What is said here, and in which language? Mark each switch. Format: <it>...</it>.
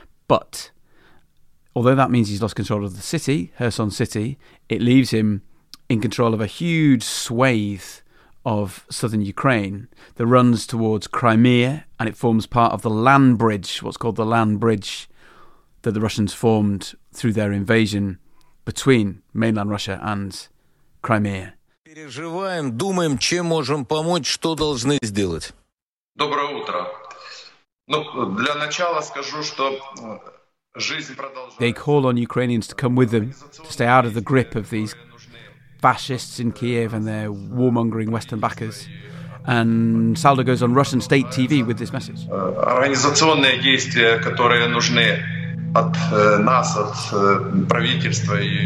<en>But although that means he's lost control of the city, Kherson city, it leaves him in control of a huge swathe of southern Ukraine that runs towards Crimea, and it forms part of the land bridge, what's called the land bridge that the Russians formed through their invasion between mainland Russia and Crimea.</en> <ru>Переживаем, думаем, чем можем помочь, что должны сделать. Доброе утро. Ну, для начала скажу, что жизнь продолжается.</ru> <en>They call on Ukrainians to come with them, to stay out of the grip of these fascists in Kiev and their warmongering Western backers. And Saldo goes on Russian state TV with this message.</en> <ru>Организационные действия, которые нужны от нас, от правительства.</ru>